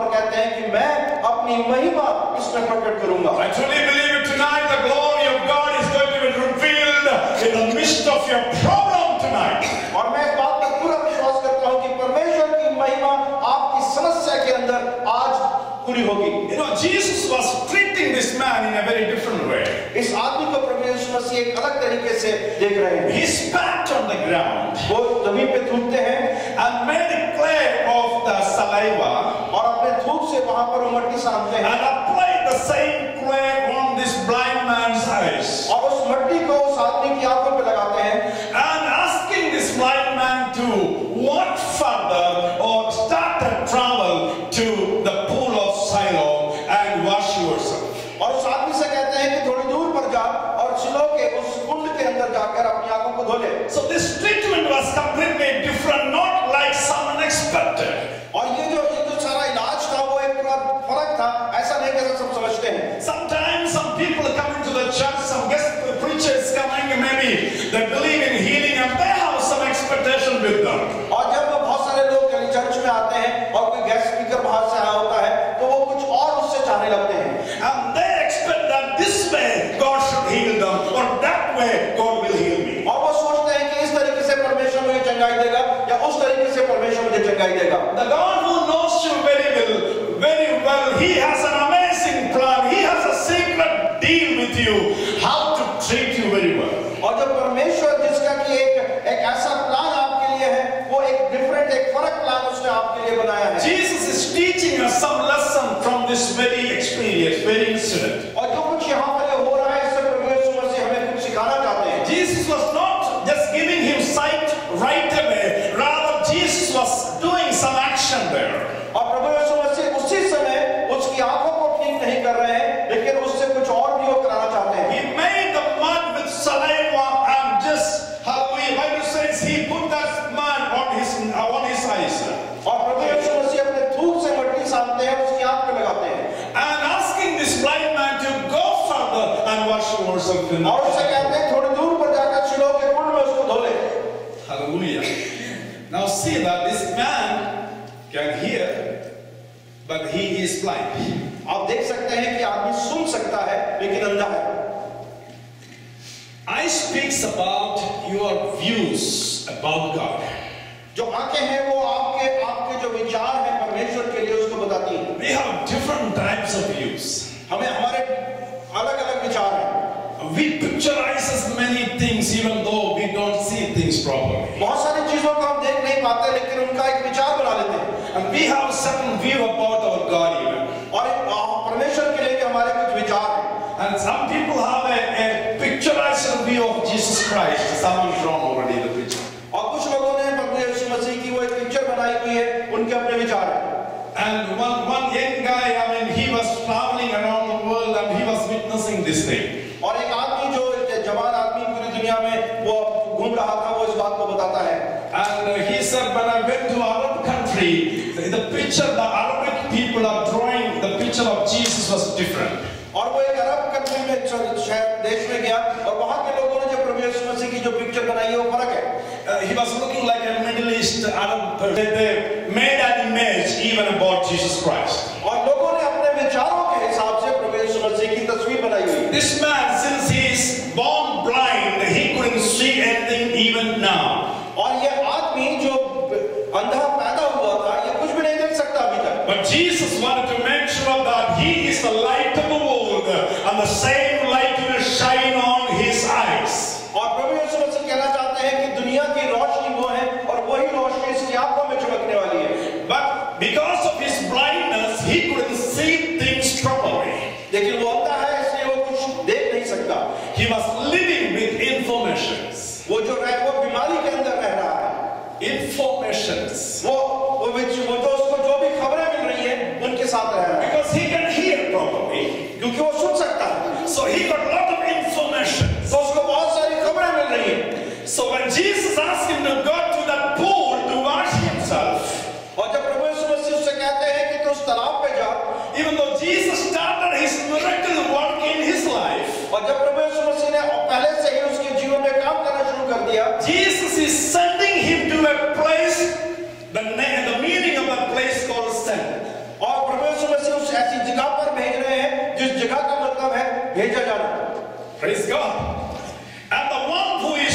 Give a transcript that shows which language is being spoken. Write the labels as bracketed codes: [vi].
[hi] महिमा इसमें प्रकट करूंगा. [en] I truly believe it tonight, the glory of God is going to be revealed in the midst of your problem tonight. [hi] और मैं इस बात पर पूरा विश्वास करता हूँ कि परमेश्वर की महिमा आपकी समस्या के अंदर आज पूरी होगी. [en] You know, Jesus was treating this man in a very different way. [hi] इस आदमी को परमेश्वर मसीह एक अलग तरीके से देख रहे हैं. [en] He spat on the ground. [hi] वो जमीन पे थूकते हैं. [en] And made clay of the saliva. [hi] और अपने थूक से वहाँ पर मिट्टी सानते हैं. [en] And applied the same clay on this blind man's eyes. [hi] और उस मिट्टी को उस आदमी की आंखों पे लगाते हैं. [en] And asking this blind man to walk further or start a travel to the pool of Siloam and wash yourself. [hi] और उस आदमी से कहते हैं कि थोड़ी दूर पर जा और सिलो के उस कुंड के अंदर जाकर अपनी आंखों को धो ले. [en] So this treatment was completely different, not like someone expected. [hi] और ये जो सारा इलाज था वो एक पूरा फर्क था, ऐसा नहीं कि सब समझते हैं. [en] Sometimes some people come into the church, some guest preachers coming, maybe they believe in healing and they have some expectation with them. [hi] और जब बहुत सारे लोग चर्च में आते हैं और कोई गेस्ट स्पीकर बाहर से आया होता है तो वो कुछ और उससे चाहने लगते हैं. [en] And they expect that this way God should heal them or that way God will heal me. [hi] और वो सोचते हैं कि इस तरीके से परमेश्वर मुझे चंगाई देगा या उस तरीके से परमेश्वर मुझे चंगाई देगा. [en] The God who knows you very well, he has an amazing plan. He has a secret deal with you. How to treat you very well. [hi] और जो परमेश्वर जिसका कि एक ऐसा प्लान आपके लिए है, वो एक डिफरेंट एक फर्क प्लान उसने आपके लिए बनाया है. [en] Jesus is teaching us some lesson from this very experience, very incident. [hi] और जो कुछ यहाँ पर हो रहा है, इससे परमेश्वर से हमें कुछ सिखाना चाहते हैं. [en] Jesus was not just giving him sight right away. Rather, Jesus was doing some action there. [hi] और प्रभु यीशु मसीह उसी समय उसकी आंखों को ठीक नहीं कर रहे हैं, लेकिन उससे कुछ और भी वो कराना चाहते हैं. [en] He made the mud with saliva and just how you say he put that mud on his eyes. [hi] और प्रभु यीशु मसीह अपने थूक से मिट्टी सानते हैं, उसकी आंख पे लगाते हैं. [en] And asking this blind man to go further and wash yourself in. [hi] और उसे कहते हैं थोड़ी दूर पर जाकर चलो के कुंड में उसको धो ले. [en] Hallelujah. Now see that this man can hear, but he is blind. [hi] आप देख सकते हैं कि आदमी सुन सकता है, लेकिन अंधा है. [en] Eyes speaks about your views about God. [hi] जो आंखें हैं, वो आपके आपके जो विचार हैं परमेश्वर के लिए उसको बताती हैं. [en] We have different types of views. [hi] हमें हमारे अलग-अलग विचार हैं. [en] We picturize many things even though we don't see things properly. [hi] बहुत सारी चीजों को हम देख नहीं पाते, लेकिन उनका एक विचार बना लेते हैं. [en] And we have certain view about our God even. [hi] और परमेश्वर के लिए हमारे कुछ विचार हैं. [en] And some people have a picturized view of Jesus Christ. Someone drawn already the picture. [hi] और कुछ लोगों ने प्रभु यीशु मसीह की वो एक पिक्चर बनाई हुई है, उनके अपने विचार हैं. [en] And one young guy, I mean, he was traveling around the world and he was witnessing this thing. [hi] और एक आदमी जो एक जवान आदमी पूरी दुनिया में वो घूम रहा था, वो इस बात को बताता है. [en] And he said, when I went to Arab country, the picture the Arabic people are drawing, the picture of Jesus was different. [hi] और वो एक अरब कंट्री में शहर देश में गया और वहां के लोगों ने जो प्रभु यीशु मसीह की जो पिक्चर बनाई है वो फर्क है. [en] He was looking like a Middle East Arab. They made an image even about Jesus Christ. [hi] और लोगों ने अपने विचारों के हिसाब से प्रभु यीशु मसीह की तस्वीर बनाई हुई. [en] This man, since he is born blind, he couldn't see anything even now. [hi] और ये आदमी जो अंधा पैदा हुआ था, ये कुछ भी नहीं देख सकता अभी तक. [en] But Jesus wanted to make sure that he is the light of the world and the same light will shine on his eyes. [hi] और प्रभु यीशु मसीह कहना चाहते हैं कि दुनिया की रोशनी वो है और वही रोशनी इसकी आंखों में चमकने वाली है. [en] But because of his blindness, he couldn't see things properly. [hi] लेकिन वो अंधा है इसलिए वो कुछ देख नहीं सकता. [en] He was living with informations. [hi] वो जो है वो बीमारी के अंदर रह रहा है. [en] Informations. [hi] वो तो उसको जो भी खबरें मिल रही हैं उनके साथ रह रहा है. [en] Because he can hear properly. [hi] क्योंकि वो सुन सकता है. [en] So he got lot of information. [hi] तो उसको बहुत सारी खबरें मिल रही हैं. [en] So when Jesus asked him to go to that pool to wash himself. [hi] और जब प्रभु यीशु मसीह उससे कहते हैं कि तू उस तालाब पे जा. [en] Even though Jesus started his miracle work in his life. [hi] और जब प्रभु यीशु मसीह ने पहले से ही उसके जीवन में काम करना शुरू कर दिया. [en] Jesus is sending him to a place, the meaning of that place called sent. [hi] और प्रभु यीशु मसीह उस ऐसी जगह पर भेज रहे हैं जिस जगह का मतलब है भेजा जाना. [en] Praise God. And the one who